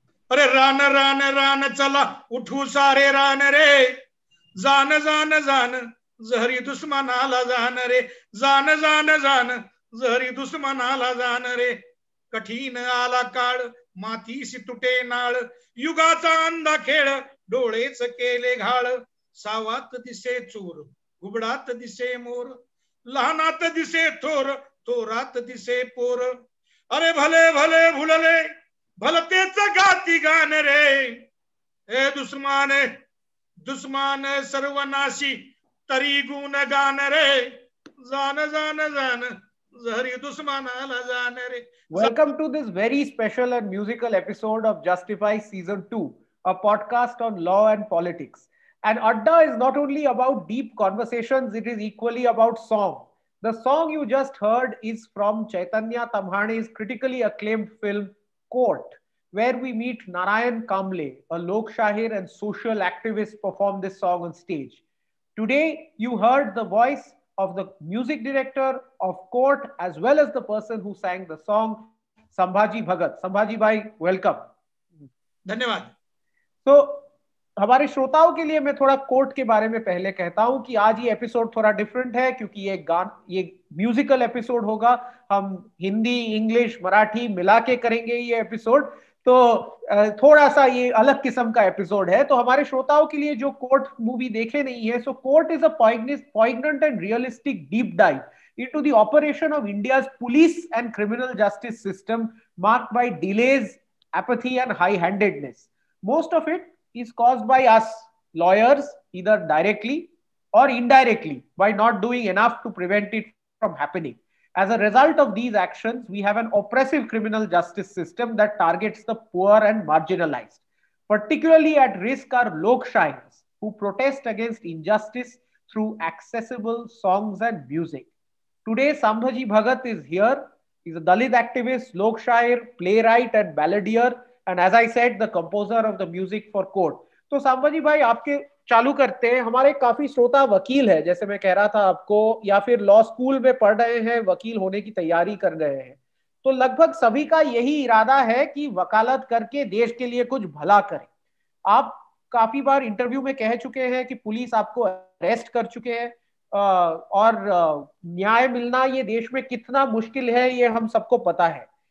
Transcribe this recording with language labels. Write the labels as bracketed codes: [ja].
[mr] अरे रान रान रान चला उठू सारे रान रे, जान जान जान जहरी दुश्मनाला जान रे, जान जान जान जहरी दुश्मनाला जान रे। कठीण आला काळ मातीशी तुटे नाळ, युगाचा अंधा खेळ डोळेच केले घाळ। सावात दिसे चोर घुबडात दिसे मोर, लहानात दिसे थोर थोरात दिसे पोर। अरे भले भले भुलले भलतेच गाती गान रे, हे दुश्मन दुश्मन सर्वनाशी तरी गुण गान रे, जान जान जान जहरी दुश्मनाला जान रे। [en] Welcome to this very special and musical episode of Justify season 2, a podcast on law and politics. And Adda is not only about deep conversations, it is equally about song. The song you just heard is from Chaitanya Tamhane's critically acclaimed film, Court, where we meet Narayan Kamle, a Lok Shahir and social activist, perform this song on stage. Today, you heard the voice of the music director of Court, as well as the person who sang the song, Sambhaji Bhagat. Sambhaji Bhai, welcome. [hi] Dhanyavaad. So, हमारे श्रोताओं के लिए मैं थोड़ा court के बारे में पहले कहता हूँ कि आज ये एपिसोड थोड़ा डिफरेंट है, क्योंकि ये म्यूजिकल एपिसोड होगा। हम हिंदी इंग्लिश मराठी मिला के करेंगे ये एपिसोड, तो थोड़ा सा ये अलग किस्म का एपिसोड है। तो हमारे श्रोताओं के लिए जो कोर्ट मूवी देखे नहीं है, [en] So court is a poignant and realistic deep dive into the operation of India's police and criminal justice system marked by delays apathy and high handedness. Most of it is caused by us lawyers, either directly or indirectly, by not doing enough to prevent it from happening. As a result of these actions, we have an oppressive criminal justice system that targets the poor and marginalized. Particularly at risk are Lok Shahirs, who protest against injustice through accessible songs and music. Today, Sambhaji Bhagat is here. He's a Dalit activist, Lok Shahir, playwright and balladeer, and as I said, the composer of the music for Court. [hi] So, Sambhaji Bhai, आपके चालू करते हैं। हमारे काफी श्रोता वकील है, जैसे मैं कह रहा था आपको, या फिर लॉ स्कूल में पढ़ रहे हैं, वकील होने की तैयारी कर रहे हैं, तो लगभग सभी का यही इरादा है कि वकालत करके देश के लिए कुछ भला करें। आप काफी बार इंटरव्यू में कह चुके हैं कि पुलिस आपको अरेस्ट कर चुके हैं और न्याय मिलना ये देश में कितना मुश्किल है, ये हम सबको पता है।